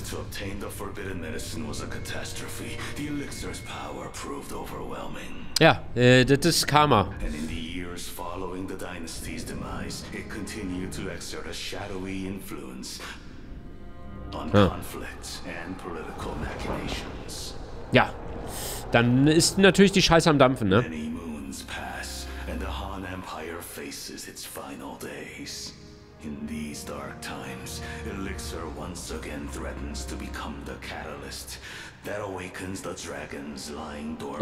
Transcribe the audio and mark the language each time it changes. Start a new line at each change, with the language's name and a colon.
English: To obtain the forbidden medicine was a catastrophe. The elixir's power proved overwhelming.
German: Ja, das ist Karma.
English: And in the years following the dynasty's demise, it continued to exert a shadowy influence on conflicts and political machinations.
German: Ja, dann ist natürlich die Scheiße am Dampfen, ne?
English: Many moons pass and the Han Empire faces its final days. In these dark times, Elixir once again threatens to become the catalyst that awakens the dragons lying dormant.